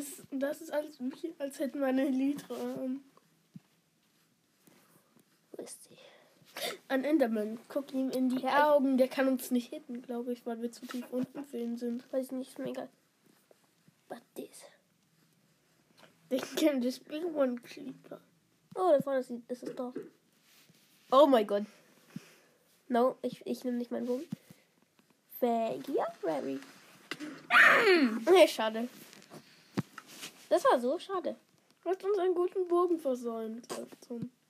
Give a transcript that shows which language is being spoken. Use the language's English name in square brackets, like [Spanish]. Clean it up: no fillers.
[German] Das ist alles wie, als hätten wir eine Elytra. Wo ist sie? Ein Enderman. Guck ihm in die Augen. Der kann uns nicht hitten, glaube ich, weil wir zu tief unten für ihn sind. Weiß nicht, ist mir egal. [English] But this. They can just be one creeper. [German] Oh, da vorne ist das Dorf. Oh mein Gott. [English] No, [German] ich nehme nicht meinen Bogen. [English] Thank you, Rabbi. [German] Nee, schade. Das war so schade. Du hast uns einen guten Bogen versäumt. Also.